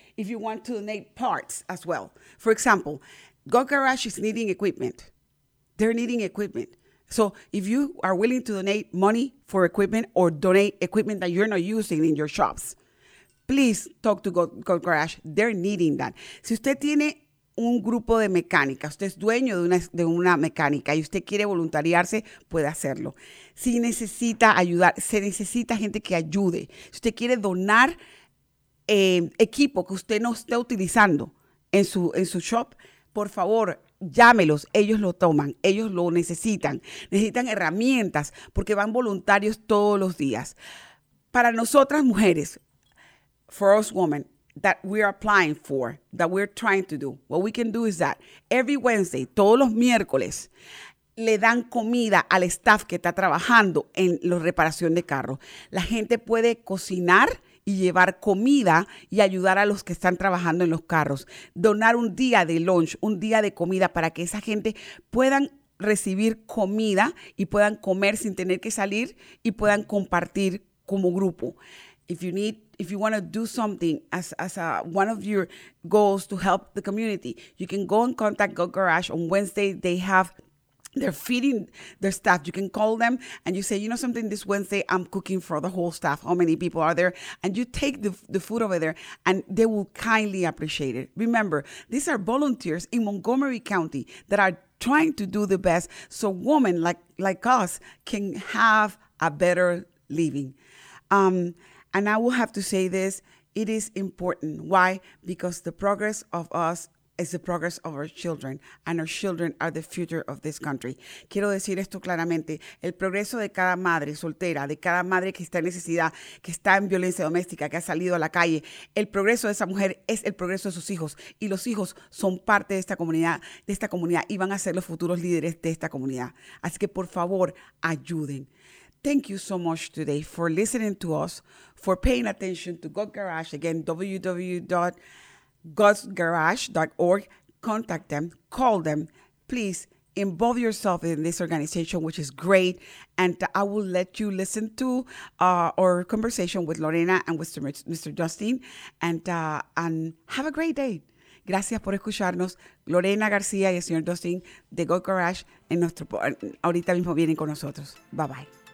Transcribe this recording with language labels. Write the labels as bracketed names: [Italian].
[English] If you want to donate parts as well. For example, God Garage is needing equipment. They're needing equipment. So if you are willing to donate money for equipment or donate equipment that you're not using in your shops, please talk to God Garage. They're needing that. [Spanish] Si usted tiene un grupo de mecánica, usted es dueño de una mecánica y usted quiere voluntariarse, puede hacerlo. Si necesita ayudar, se necesita gente que ayude. Si usted quiere donar equipo que usted no esté utilizando en su shop, por favor, llámelos. Ellos lo toman. Ellos lo necesitan. Necesitan herramientas porque van voluntarios todos los días. Para nosotras mujeres, [English] for us women, that we're applying for, that we're trying to do. What we can do is that every Wednesday, [Spanish] todos los miércoles, le dan comida al staff que está trabajando en la reparación de carros. La gente puede cocinar y llevar comida y ayudar a los que están trabajando en los carros. Donar un día de lunch, un día de comida para que esa gente puedan recibir comida y puedan comer sin tener que salir y puedan compartir como grupo. [English] If you want to do something as one of your goals to help the community, you can go and contact God Garage on Wednesday. They're feeding their staff. You can call them and you say, you know something, this Wednesday I'm cooking for the whole staff. How many people are there? And you take the food over there and they will kindly appreciate it. Remember, these are volunteers in Montgomery County that are trying to do the best so women like us can have a better living. And I will have to say this, it is important. Why? Because the progress of us is the progress of our children, and our children are the future of this country. [Spanish] Quiero decir esto claramente, el progreso de cada madre soltera, de cada madre que está en necesidad, que está en violencia doméstica, que ha salido a la calle, el progreso de esa mujer es el progreso de sus hijos, y los hijos son parte de esta comunidad, y van a ser los futuros líderes de esta comunidad. Así que por favor, ayuden. [English] Thank you so much today for listening to us, for paying attention to God Garage. Again, www.godsgarage.org. Contact them, call them. Please, involve yourself in this organization, which is great. And I will let you listen to our conversation with Lorena and with Mr. Justin. And have a great day. [Spanish] Gracias por escucharnos. Lorena García y el señor Justin de Go Garage. Ahorita mismo vienen con nosotros. Bye-bye.